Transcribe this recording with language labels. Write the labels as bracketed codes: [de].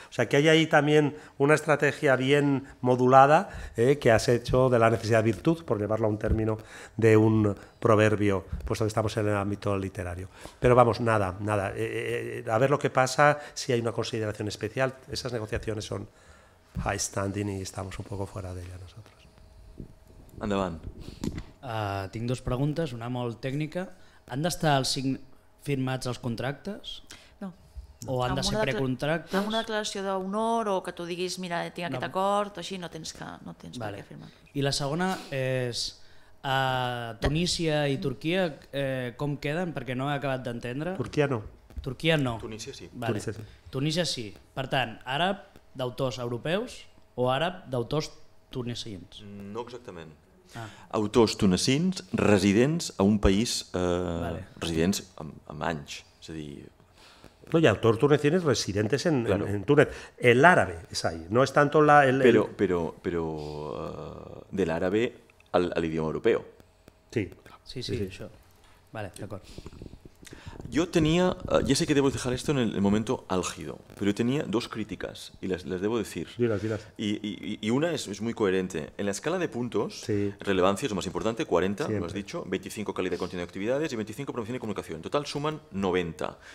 [es] O sea, que hay ahí también una estrategia bien modulada que has hecho de la necesidad de virtud, por llevarlo a un término de un proverbio, puesto que estamos en el ámbito literario. Pero vamos, nada. A ver lo que pasa, si hay una consideración especial. Esas negociaciones son [en] high standing [es] y estamos un poco fuera de ella nosotros. [ca] Endavant. Tinc dues preguntes, una molt tècnica. Han d'estar els 5 firmats els contractes? No. O han de ser precontractes? Amb una declaració d'honor o que tu diguis mira, tinc aquest acord, o així, no tens per què firmar. I la segona és Tunísia i Turquia, com queden? Perquè no he acabat d'entendre. Turquia no. Tunísia sí. Vale. Tunísia sí. Per tant, àrab d'autors europeus o àrab d'autors tunisins? No exactament. Ah. Autors tunecins residents a un país residents amb anys, és a dir... No, hi ha autors tunecins residents en Túnez. L'àrabe és ahí, no és tanto la... De l'àrabe a l'idioma europeu. Sí, això. Vale, d'acord. [es] Yo tenía, ya sé que debo dejar esto en el momento álgido, pero tenía dos críticas y las debo decir. Dilas. Y una es muy coherente. En la escala de puntos, sí. Relevancia es lo más importante, 40, siempre. Lo has dicho, 25 calidad de contenido de actividades y 25 promoción y comunicación. En total suman 90.